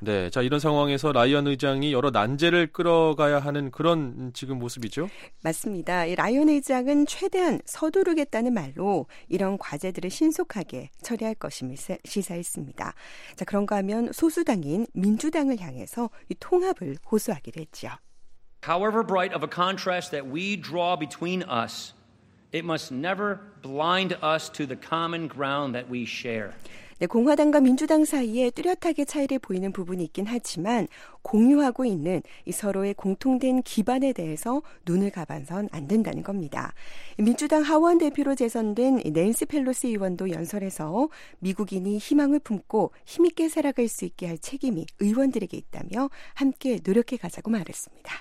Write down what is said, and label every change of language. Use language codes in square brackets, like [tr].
[ko] 네, 자 이런 상황에서 라이언 의장이 여러 난제를 끌어가야 하는 그런 지금 모습이죠. 맞습니다. 이 라이언 의장은 최대한 서두르겠다는 말로 이런 과제들을 신속하게 처리할 것임을 시사했습니다. 자 그런가 하면 소수당인 민주당을 향해서 이 통합을 호소하기로 했죠. [en] However bright of a contrast that we draw between us, it must never blind us to the common ground that we share. [ko] 네, 공화당과 민주당 사이에 뚜렷하게 차이를 보이는 부분이 있긴 하지만 공유하고 있는 이 서로의 공통된 기반에 대해서 눈을 감아선 안 된다는 겁니다. 민주당 하원 대표로 재선된 낸시 펠로시 의원도 연설에서 미국인이 희망을 품고 힘있게 살아갈 수 있게 할 책임이 의원들에게 있다며 함께 노력해 가자고 말했습니다.